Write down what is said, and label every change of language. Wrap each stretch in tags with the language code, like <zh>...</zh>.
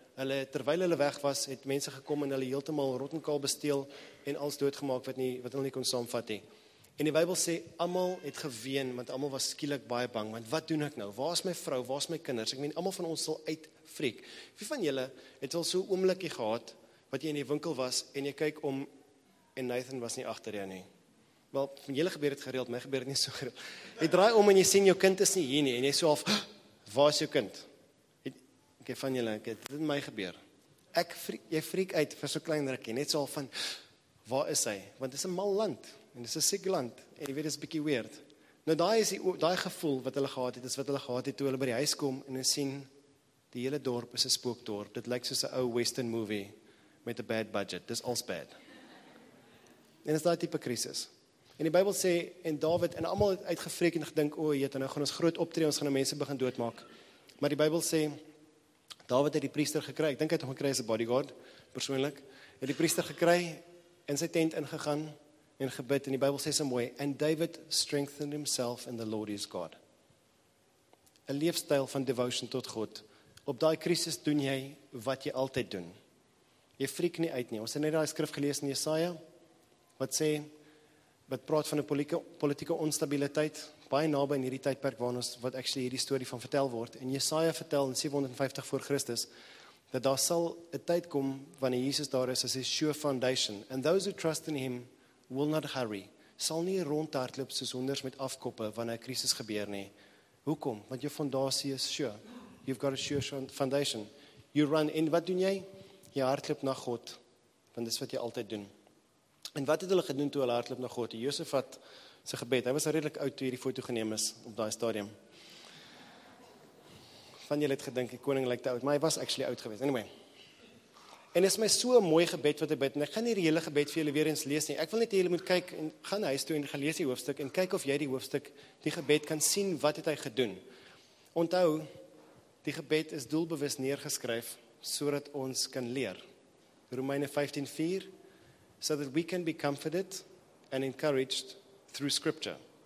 <af>Hulle, terwyl hulle weg was, het mense gekom en hulle heeltemal rot en kaal besteel en alles doodgemaak wat hulle nie kon saamvat nie. En die Bybel sê, almal het geween, want almal was skielik baie bang, want wat doen ek nou? Waar is my vrou? Waar is my kinders? Ek meen, almal van ons sal uitfriek. Wie van julle het al so oomblikkie gehad, wat jy in die winkel was, en jy kyk om, en Nathan was nie agter jou nie. Wel, van julle gebeur het gereeld, my gebeur het nie so gereeld. Jy draai om en jy sien, jou kind is nie hier nie, en jy so af, waar is jou kind? Ek het van julle, dit het my gebeur. Jy friek uit vir so klein rukkie, net so al van, waar is hy? Want dit is 'n mal land, en dit is 'n siek land, en jy weet, dit is bietjie weird. Nou, daai gevoel wat hulle gehad het, is wat hulle gehad het, toe hulle by die huis kom, en hulle sien, die hele dorp is 'n spookdorp. Dit lyk soos 'n ou western movie, met 'n bad budget. Dit is als bad. En dit is daai type krisis. En die Bybel sê, en David, en allemaal het uitgefreek en gedink, o, jy het, nou gaan ons groot optree, ons gaan nou mense begin doodmaak. Maar die Bybel sê, David het die priester gekry, ek dink hy het hom gekry as 'n bodyguard, persoonlik, het die priester gekry, in sy tent ingegaan, en gebid, en die Bybel sê so mooi,</af> <en>and David strengthened himself in the Lord his God.</en> <af>Een leefstyl van devotion tot God. Op die krisis doen jy wat jy altyd doen. Jy friek nie uit nie. Ons het net die skrif gelees in Jesaja, wat sê, wat praat van 'n politieke onstabiliteit, baie naby in hierdie tydperk waarin ons wat actually hierdie storie van vertel word. En Jesaja vertel in 750 voor Christus, dat daar sal 'n tyd kom wanneer Jesus daar is as 'n sure foundation.</af> <en>And those who trust in him will not hurry.</en> <af>Sal nie rondhardloop soos honders met afkoppe wanneer 'n krisis gebeur nie. Hoekom? Want jou fondasie is sure.</af> <en>You've got a sure foundation. You run in.</en> <af>Wat doen jy? Jy hardloop na God. Want dis wat jy altyd doen. En wat het hulle gedoen toe hulle hardloop na God? Josafat se gebed. Hy was redelik oud toe hierdie foto geneem is op daai stadium. Van julle het gedink die koning lyk te oud, maar hy was actually oud geweest. Anyway. En dit is my so 'n mooi gebed wat hy bid. En ek gaan hierdie hele gebed vir julle weer eens lees nie. Ek wil net hê julle moet kyk en gaan huis toe en gaan lees die hoofstuk en kyk of jy die hoofstuk, die gebed kan sien wat het hy gedoen. Onthou, die gebed is doelbewus neergeskryf sodat ons kan leer.</af> <en>Romeine 15:4 so that we can be comforted and encouraged through scripture.</en>